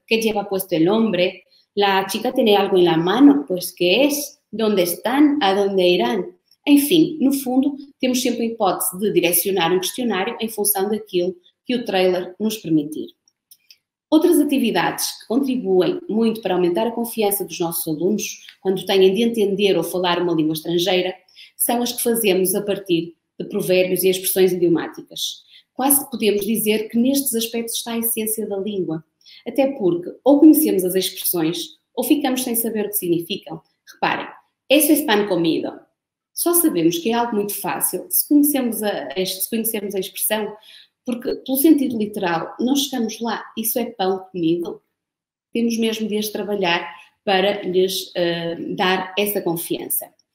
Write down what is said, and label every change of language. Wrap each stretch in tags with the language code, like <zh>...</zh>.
<es>¿Qué lleva puesto el hombre? ¿La chica tiene algo en la mano? Pues, ¿qué es? ¿Dónde están? ¿A dónde irán?</es> <pt>Enfim, no fundo, temos sempre a hipótese de direcionar um questionário em função daquilo que o trailer nos permitir. Outras atividades que contribuem muito para aumentar a confiança dos nossos alunos quando têm de entender ou falar uma língua estrangeira são as que fazemos a partir de provérbios e expressões idiomáticas. Quase podemos dizer que nestes aspectos está a essência da língua. Até porque ou conhecemos as expressões ou ficamos sem saber o que significam. Reparem,</pt> <es>eso es pan comido.</es> <pt>Só sabemos que é algo muito fácil se conhecermos a expressão, porque pelo sentido literal não chegamos lá. Isso é pão comido. Temos mesmo de as trabalhar para lhes dar essa confiança.</pt>